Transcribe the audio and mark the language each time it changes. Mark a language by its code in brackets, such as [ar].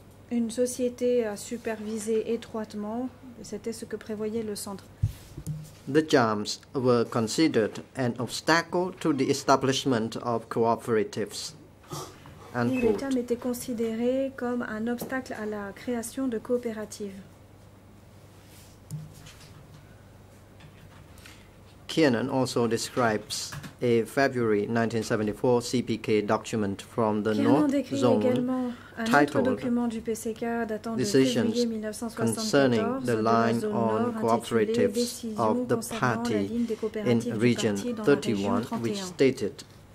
[fr] Une société à superviser étroitement, c'était ce que prévoyait le centre. [en] The CHAMs were considered an obstacle to the establishment of cooperatives. [fr] Les CHAMs étaient considérés comme un obstacle à la création de coopératives. [en] Kiernan also describes a February 1974 CPK document from the North Zone titled Decisions Concerning the Line on Cooperatives of the Party in Region 31, which stated,